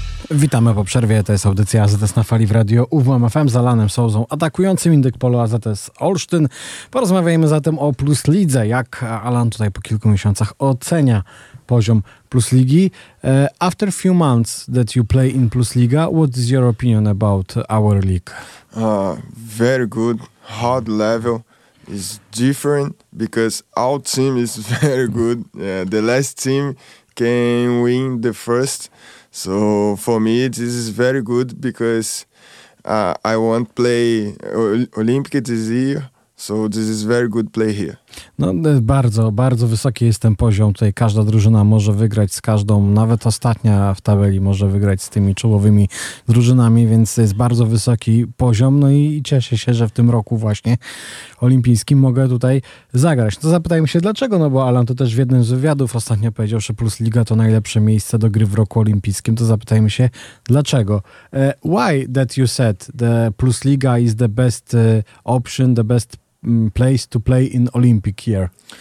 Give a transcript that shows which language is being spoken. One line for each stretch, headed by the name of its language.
Polish: Witamy po przerwie, to jest audycja AZS na fali w radio UWM FM z Alanem Sołzą, atakującym Indyk Polo AZS Olsztyn. Porozmawiajmy zatem o Plus Lidze, jak Alan tutaj po kilku miesiącach ocenia poziom Plus Ligi.
English: After few months that you play in Plus Liga, what is your opinion about our league? Very good, hard level. It's different because our team is very good. Yeah, the last team can win the first. So for me, this is very good because I won't play Olympic this year. So this is very good play here.
Polish: No, bardzo, bardzo wysoki jest ten poziom. Tutaj każda drużyna może wygrać z każdą, nawet ostatnia w tabeli może wygrać z tymi czołowymi drużynami, więc jest bardzo wysoki poziom. No i cieszę się, że w tym roku właśnie olimpijskim mogę tutaj zagrać. No zapytajmy się dlaczego, no bo Alan to też w jednym z wywiadów ostatnio powiedział, że Plus Liga to najlepsze miejsce do gry w roku olimpijskim. To zapytajmy się dlaczego.
English: Why that you said the Plus Liga is the best option, the best place to play in Olympic year?